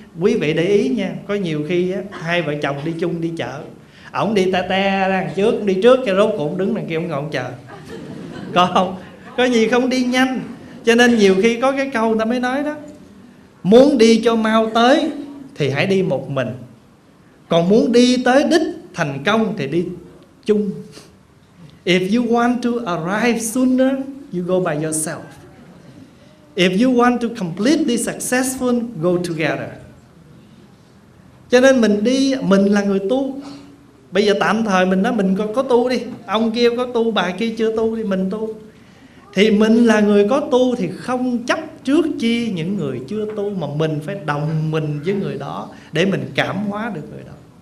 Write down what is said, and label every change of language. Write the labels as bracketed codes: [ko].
[vi] Quý vị để ý nha, có nhiều khi á, hai vợ chồng đi chung đi chợ, ổng đi ta ta đằng trước, đi trước cho rốt cuộc đứng đằng kia ổng ngồi ổng chờ. Có không? Có gì không đi nhanh. Cho nên nhiều khi có cái câu người ta mới nói đó: muốn đi cho mau tới thì hãy đi một mình, còn muốn đi tới đích thành công thì đi chung. [en] If you want to arrive sooner, you go by yourself. If you want to completely successful, go together. [vi] Cho nên mình đi, mình là người tu. Bây giờ tạm thời mình nói mình có tu đi, ông kia có tu, bà kia chưa tu thì mình tu. Thì mình là người có tu thì không chấp trước chi những người chưa tu, mà mình phải đồng mình với người đó để mình cảm hóa được người đó.